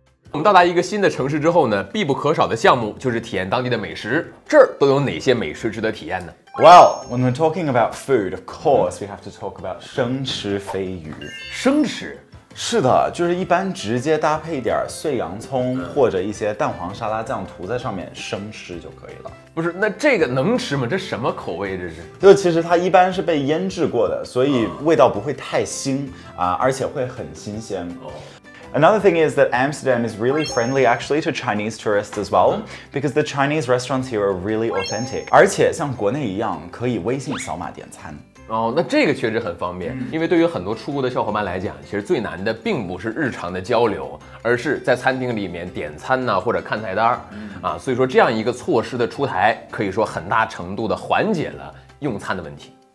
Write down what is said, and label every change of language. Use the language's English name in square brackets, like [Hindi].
[Chinese] 我们到达一个新的城市之后呢，必不可少的项目就是体验当地的美食。这儿都有哪些美食值得体验呢？ [English] Well, when we're talking about food, of course, we have to talk about [Chinese] 生吃飞鱼。生吃？是的，就是一般直接搭配点碎洋葱或者一些蛋黄沙拉酱涂在上面生吃就可以了。不是，那这个能吃吗？这什么口味？这是？就其实它一般是被腌制过的，所以味道不会太腥啊，而且会很新鲜。 [English] Another thing is that Amsterdam is really friendly actually to Chinese tourists as well, because the Chinese restaurants here are really authentic. [Chinese] 而且像国内一样可以微信扫码点餐。哦，那这个确实很方便，因为对于很多出国的小伙伴来讲，其实最难的并不是日常的交流，而是在餐厅里面点餐呢，或者看菜单啊，所以说这样一个措施的出台，可以说很大程度的缓解了用餐的问题。